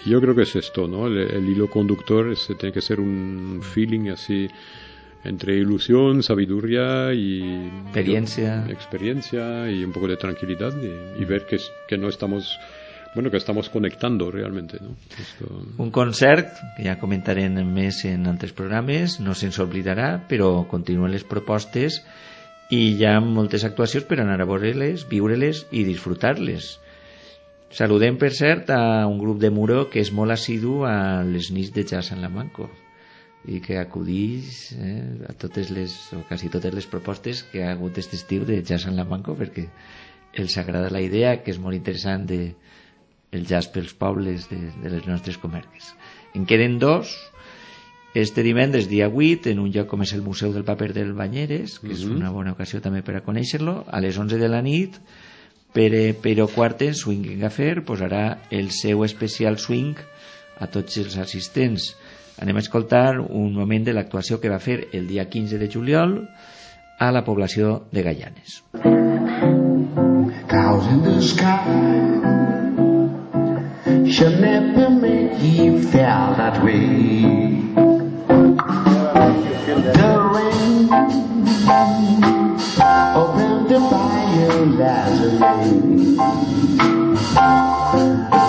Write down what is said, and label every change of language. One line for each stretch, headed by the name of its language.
Spanish: Yo creo que es esto, ¿no? El hilo conductor tiene que ser un feeling así. Entre ilusión, sabiduría y experiencia y un poco de tranquilidad y ver que no estamos, bueno, que estamos conectando realmente, ¿no? Esto...
Catalan: Un concert que ja comentaré en més en altres programes, no se'ns oblidarà, però continuen les propostes i hi ha moltes actuacions per anar a veure-les, viure-les i disfrutar-les. Saludem, per cert, a un grup de Muro que és molt assidu a les nits de jazz en la Manco i que acudís a totes les, o quasi totes les propostes que ha hagut aquest estiu de jazz en la Manco, perquè els agrada la idea, que és molt interessant, de el jazz pels pobles de les nostres comarques. En queden dos. Este divendres, dia 8, en un lloc com és el Museu del Paper del Banyeres, que és una bona ocasió també per a conèixer-lo, a les 11 de la nit, Pere Quart en Swing and Gaffer posarà el seu especial swing a tots els assistents. Anem a escoltar un moment de l'actuació que va fer el dia 15 de juliol a la població de Gaianes.
English: Cows in the sky shall never make you feel that way. The rain opened up by your lazarine.